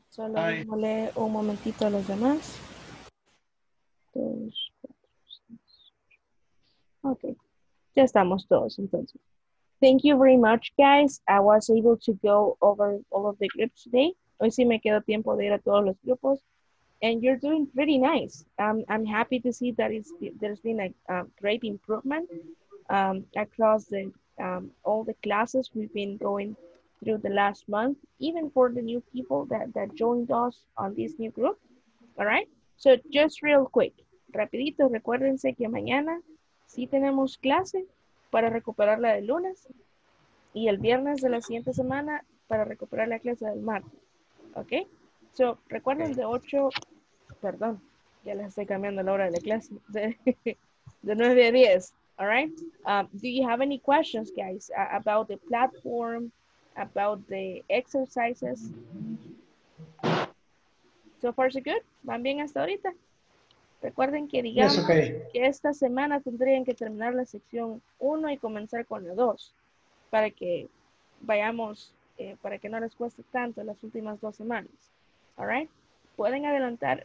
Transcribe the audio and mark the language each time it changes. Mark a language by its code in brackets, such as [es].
[es] Solo démosle un momentito a los demás. Dos, cuatro, seis. Ok. Ya estamos todos, entonces. [en] Thank you very much, guys. I was able to go over all of the groups today. [es] Hoy sí me quedó tiempo de ir a todos los grupos. [en] And you're doing pretty nice. I'm happy to see that there's been a great improvement across the all the classes we've been going through the last month, even for the new people that joined us on this new group. All right, so just real quick, [es] rapidito, recuérdense que mañana sí tenemos clase para recuperar la del lunes y el viernes de la siguiente semana para recuperar la clase del martes. Okay, so recuerden de 8, perdón, ya les estoy cambiando la hora de la clase, de 9 a 10. [en] All right. Do you have any questions, guys, about the platform, about the exercises? So far, so good. [es] ¿Van bien hasta ahorita? Recuerden que digamos que esta semana tendrían que terminar la sección 1 y comenzar con la 2 para que vayamos, para que no les cueste tanto las últimas dos semanas. [en] All right. [es] Pueden adelantar.